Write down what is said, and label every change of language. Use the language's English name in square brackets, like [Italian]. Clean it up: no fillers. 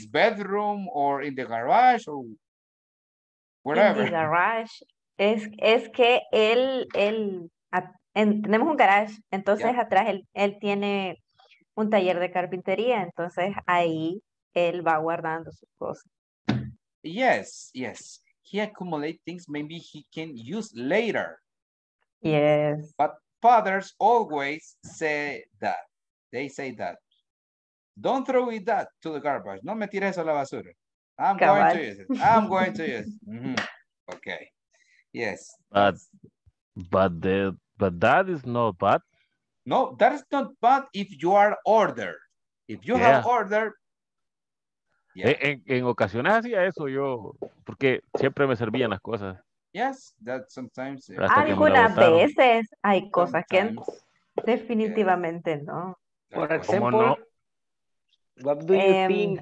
[English] In his bedroom or in the garage or whatever. In the garage. [Spanish] Es que él tenemos un garage, entonces yeah. Atrás él tiene un taller de carpintería, entonces ahí él va guardando sus cosas. [English] Yes, yes. He accumulates things maybe he can use later. Yes. But fathers always say that. They say that. Don't throw it that to the garbage. [Spanish] No me tires a la basura. [English] I'm going to use it. Mm-hmm. Okay. Yes. But that is not bad. No, that is not bad if you are ordered. If you have order. Yeah. [Spanish] En ocasiones hacía eso yo, porque siempre me servían las cosas. [English] Yes, that sometimes. [Spanish] Algunas veces hay cosas sometimes, que definitivamente yes. No. [English] For example, no? What do you think?